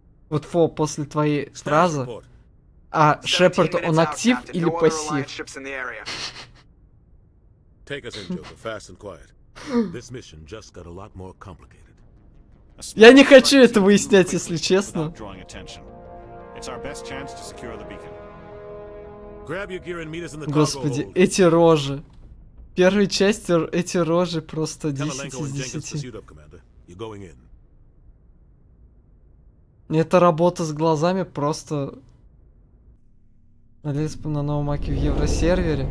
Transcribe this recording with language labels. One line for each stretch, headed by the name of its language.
Russian: Вот Фо, после твоей фразы. А Шепард, он актив или пассив? Я не хочу это выяснять, если честно.
English: It's our best chance to secure the beacon. Grab your gear and meet us in the cargo hold.
Russian: Господи, эти рожи. В первой части эти рожи просто 10 из 10.
English: You're going in.
Russian: Эта работа с глазами просто... Налезть бы на новом аке в евросервере.